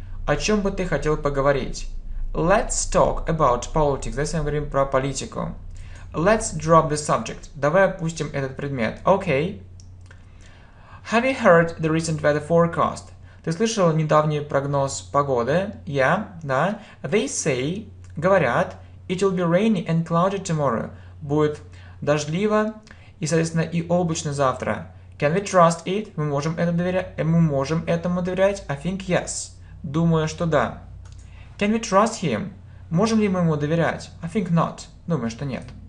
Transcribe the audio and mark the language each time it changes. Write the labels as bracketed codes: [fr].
[ru] О чем бы ты хотел поговорить? [en] Let's talk about politics. [ru] Здесь мы говорим про политику. [en] Let's drop the subject. [ru] Давай опустим этот предмет. [en] Okay. Have you heard the recent weather forecast? [ru] Ты слышал недавний прогноз погоды? [en] Yeah, [ru] да. [en] They say, [ru] говорят, [en] it will be rainy and cloudy tomorrow. [ru] Будет дождливо и, соответственно, и облачно завтра. [en] Can we trust it? [ru] Мы можем этому доверять? [en] I think yes. [ru] Думаю, что да. [en] Can we trust him? [ru] Можем ли мы ему доверять? [en] I think not. [ru] Думаю, что нет.